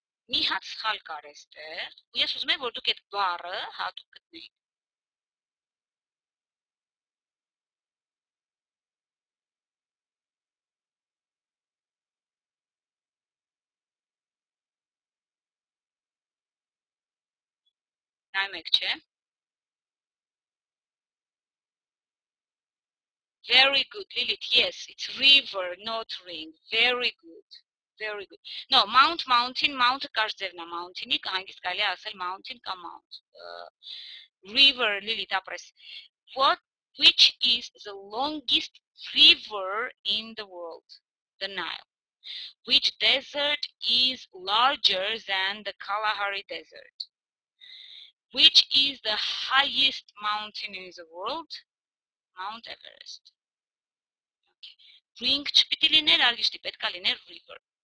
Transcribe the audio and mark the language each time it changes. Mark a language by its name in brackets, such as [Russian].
[Armenian] Մի հատ սխալ կար էստեղ, ու ես ուզում եմ, որ դուք այդ բառը հատուկ գտնեք։ Նայեք, չէ՞։ [English] Very good, Lilith. Yes, it's river, not ring. Very good. Very good. No, mount, mountain, mount կարձևնա, mountain-ի, [Armenian] հանգիստ կարելի ասել [English] mountain կամ mount. River, Lilith, ապրես։ What Which is the longest river in the world? The Nile. Which desert is larger than the Kalahari Desert? Which is the highest mountain in the world? Mount Everest. [Armenian] Ring չպիտի լիներ, արգիշտի պետք է լիներ river.